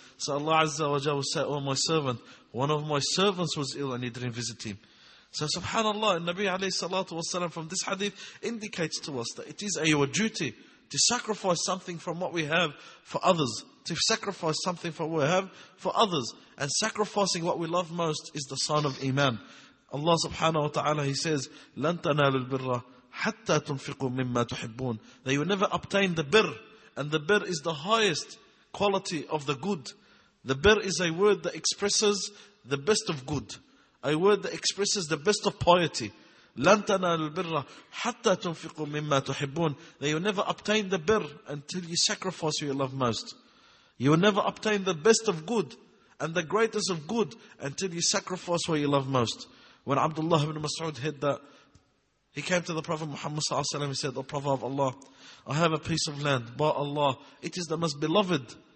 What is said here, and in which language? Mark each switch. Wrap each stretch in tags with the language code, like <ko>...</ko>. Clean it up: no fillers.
<en>So Allah Azza wa Jalla will say, oh my servant, one of my servants was ill and he didn't visit him. So subhanAllah, Nabi alayhi salatu wa salam from this hadith indicates to us that it is our duty to sacrifice something from what we have for others. To sacrifice something from what we have for others. And sacrificing what we love most is the sign of iman. Allah subhanahu wa ta'ala, he says,</en> <ar>لَن تَنَالُ الْبِرَّ حَتَّى تُنْفِقُوا مِمَّا تُحِبُّونَ.</ar> <en>That you never obtain the birr. And the birr is the highest quality of the good. The birr is a word that expresses the best of good. A word that expresses the best of piety.</en> <ar>لن تنالوا البر حتى تنفقوا مما تحبون.</ar> <en>That you never obtain the birr until you sacrifice what you love most. You will never obtain the best of good and the greatest of good until you sacrifice what you love most. When Abdullah ibn Mas'ud heard that, he came to the Prophet Muhammad sallallahu alaihi wasallam. He said, "O Prophet of Allah, I have a piece of land, by Allah, it is the most beloved.</en>